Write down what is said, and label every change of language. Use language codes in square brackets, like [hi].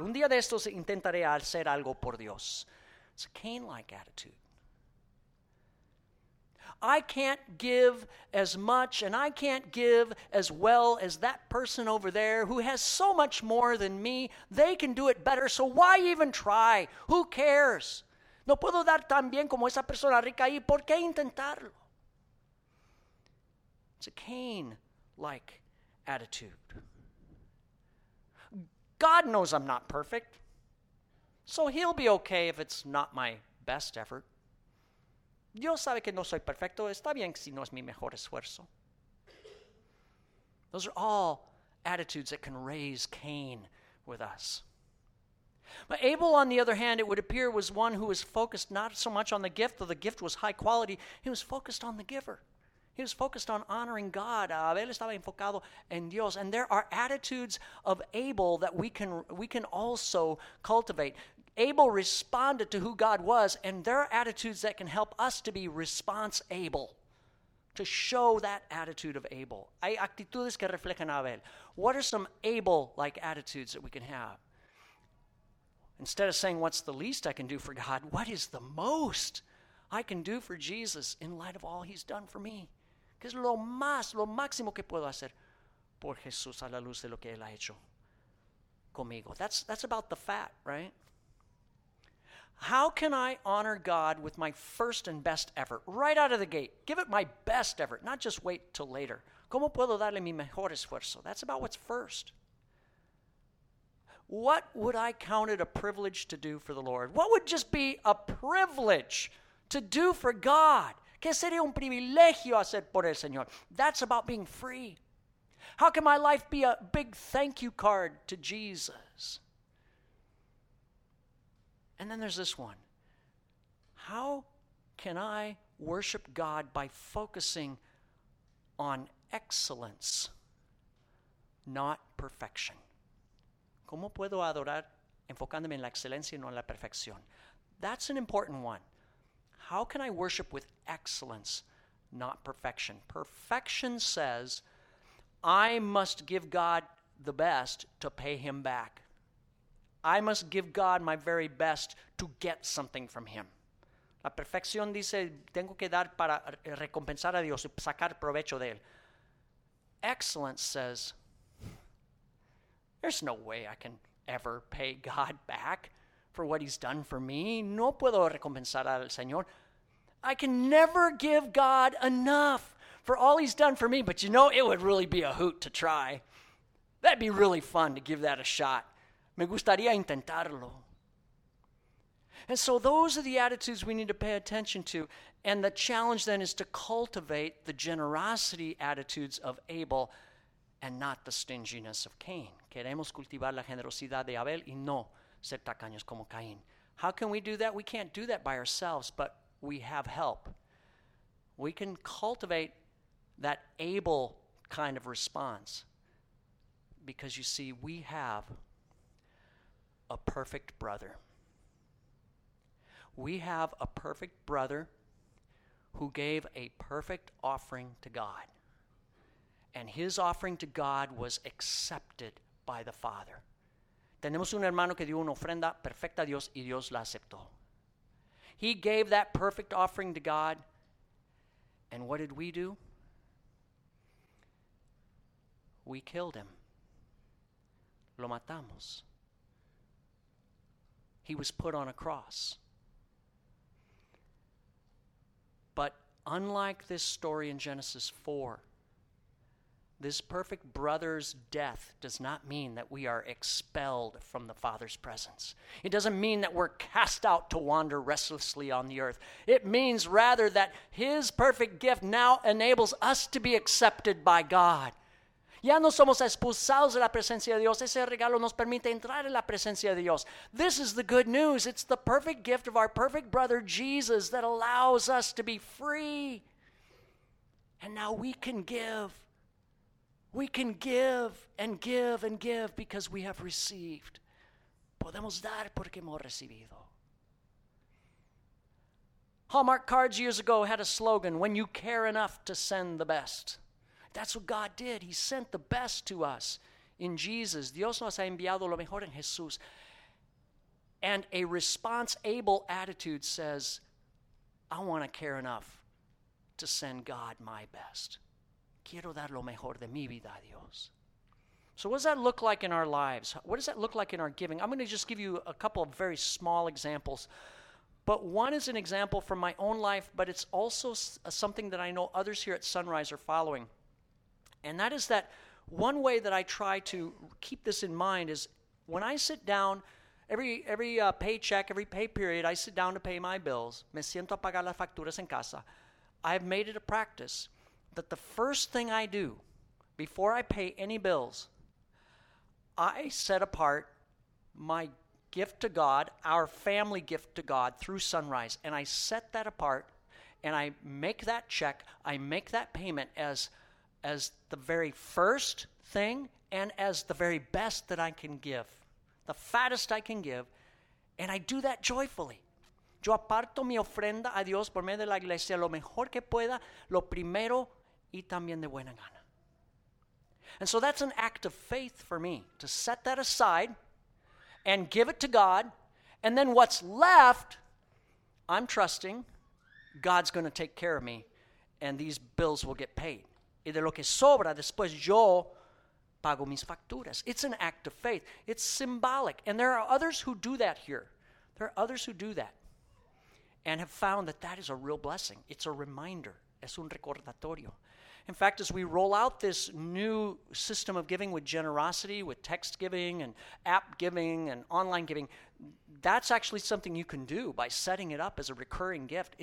[es] Un día de estos intentaré hacer algo por Dios. [en] It's a Cain-like attitude. I can't give as much and I can't give as well as that person over there who has so much more than me. They can do it better, so why even try? Who cares? [es] No puedo dar tan bien como esa persona rica ahí. ¿Por qué intentarlo? [en] It's a Cain-like attitude. God knows I'm not perfect, so he'll be okay if it's not my best effort. [es] Dios sabe que no soy perfecto. Está bien si no es mi mejor esfuerzo. [en] Those are all attitudes that can raise Cain with us. But Abel, on the other hand, it would appear, was one who was focused not so much on the gift, though the gift was high quality. He was focused on the giver. He was focused on honoring God. [es] Abel estaba enfocado en Dios. [en] And there are attitudes of Abel that we can also cultivate. Abel responded to who God was, and there are attitudes that can help us to be response-able, to show that attitude of Abel. [es] Hay actitudes que reflejan a Abel. [en] What are some Abel-like attitudes that we can have? Instead of saying, what's the least I can do for God, what is the most I can do for Jesus in light of all he's done for me? [es] ¿Qué es lo más, lo máximo que puedo hacer por Jesús a la luz de lo que él ha hecho conmigo? [en] That's about the fat, right? How can I honor God with my first and best effort? Right out of the gate. Give it my best effort, not just wait till later. [es] ¿Cómo puedo darle mi mejor esfuerzo? [en] That's about what's first. What would I count it a privilege to do for the Lord? What would just be a privilege to do for God? [es] ¿Qué sería un privilegio hacer por el Señor? [en] That's about being free. How can my life be a big thank you card to Jesus? And then there's this one. How can I worship God by focusing on excellence, not perfection? [es] ¿Cómo puedo adorar enfocándome en la excelencia y no en la perfección? [en] That's an important one. How can I worship with excellence, not perfection? Perfection says I must give God the best to pay him back. I must give God my very best to get something from him. [es] La perfección dice, tengo que dar para recompensar a Dios y sacar provecho de él. [en] Excellence says, there's no way I can ever pay God back for what he's done for me. [es] No puedo recompensar al Señor. [en] I can never give God enough for all he's done for me. But you know, it would really be a hoot to try. That'd be really fun to give that a shot. [es] Me gustaría intentarlo. [en] And so those are the attitudes we need to pay attention to. And the challenge then is to cultivate the generosity attitudes of Abel and not the stinginess of Cain. [es] Queremos cultivar la generosidad de Abel y no ser tacaños como Caín. [en] How can we do that? We can't do that by ourselves, but we have help. We can cultivate that Abel kind of response because, you see, we have a perfect brother. We have a perfect brother who gave a perfect offering to God. And his offering to God was accepted by the Father. [es] Tenemos un hermano que dio una ofrenda perfecta a Dios y Dios la aceptó. [en] He gave that perfect offering to God. And what did we do? We killed him. [es] Lo matamos. [en] He was put on a cross. But unlike this story in Genesis 4, this perfect brother's death does not mean that we are expelled from the Father's presence. It doesn't mean that we're cast out to wander restlessly on the earth. It means rather that his perfect gift now enables us to be accepted by God. [es] Ya no somos expulsados de la presencia de Dios. Ese regalo nos permite entrar en la presencia de Dios. [en] This is the good news. It's the perfect gift of our perfect brother Jesus that allows us to be free. And now we can give. We can give and give and give because we have received. [es] Podemos dar porque hemos recibido. [en] Hallmark cards years ago had a slogan, "When you care enough to send the best." That's what God did. He sent the best to us in Jesus. [es] Dios nos ha enviado lo mejor en Jesús. [en] And a response-able attitude says, "I want to care enough to send God my best. [es] Quiero dar lo mejor de mi vida, Dios." [en] So what does that look like in our lives? What does that look like in our giving? I'm going to just give you a couple of very small examples. But one is an example from my own life, but it's also something that I know others here at Sunrise are following. And that is that one way that I try to keep this in mind is when I sit down, every paycheck, every pay period, I sit down to pay my bills. [es] Me siento a pagar las facturas en casa. [en] I've made it a practice that the first thing I do before I pay any bills, I set apart my gift to God, our family gift to God through Sunrise. And I set that apart and I make that check, I make that payment as the very first thing and as the very best that I can give, the fattest I can give. And I do that joyfully. [es] Yo aparto mi ofrenda a Dios por medio de la iglesia lo mejor que pueda, lo primero y también de buena gana. [en] And so that's an act of faith for me, to set that aside and give it to God. And then what's left, I'm trusting God's going to take care of me and these bills will get paid. [es] Y de lo que sobra, después yo pago mis facturas. [en] It's an act of faith. It's symbolic. And there are others who do that here. There are others who do that. And have found that that is a real blessing. It's a reminder. [es] Es un recordatorio. [en] In fact, as we roll out this new system of giving with generosity, with text giving and app giving and online giving, that's actually something you can do by setting it up as a recurring gift.